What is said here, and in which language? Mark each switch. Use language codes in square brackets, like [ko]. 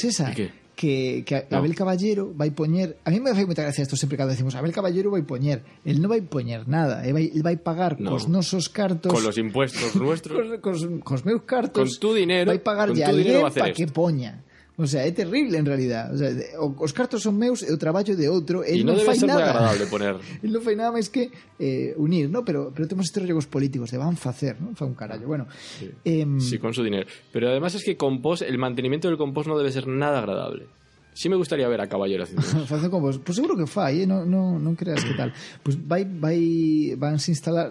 [es] ¿Y qué? que no. Abel Caballero va a poñer. A mí me hace mucha gracia esto siempre que decimos Abel Caballero va a poñer. Él no va a poñer nada. Él va a pagar con los [gl] nosos cartos. [es] Con los impuestos nuestros. Con los [gl] meus cartos. [es] Con tu dinero. Va a pagar ya alguien para que poña. O sea, [gl] é terrible en realidad. [es] O sea, [gl] os cartos son meus e o traballo de outro. E non fai nada. Moi agradable poner. E non fai nada máis que unir, ¿no? Pero temos este rollo cos políticos de van facer, ¿no? Fa un carallo. Bueno, [es] sí, con su dinero. Pero además es que compost, el mantenimiento del compost no debe ser nada agradable. Sí me gustaría ver a Caballero haciendo [gl] facer compost. Pues seguro que fai, ¿eh? [es] No creas que tal. Pues van a instalar.